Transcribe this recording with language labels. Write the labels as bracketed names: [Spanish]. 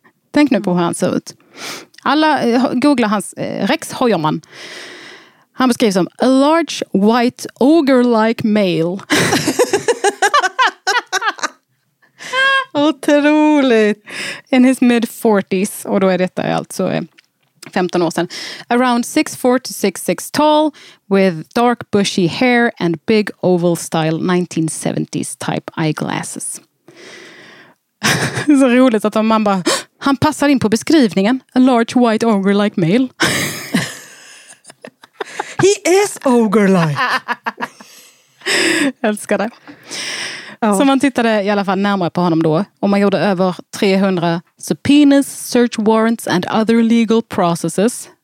[Swedish] Tänk nu på hur han ser ut. Alla googlar hans Rex Hoyerman. Han beskrivs som [English] a large, white, ogre-like male. [Swedish] Otroligt. [English] In his mid-40s, [Swedish] och då är detta alltså 15 år sedan. [English] Around 6'4 to 6'6 tall, with dark bushy hair and big oval-style 1970s type eyeglasses. [Swedish] Så roligt att man bara, han passar in på beskrivningen. [English] A large, white, ogre-like male. He is ogre-like. [Swedish] Älskar det. Oh. Så man tittade i alla fall närmare på honom då. Och man gjorde över 300 [English] subpoenas, search warrants and other legal processes.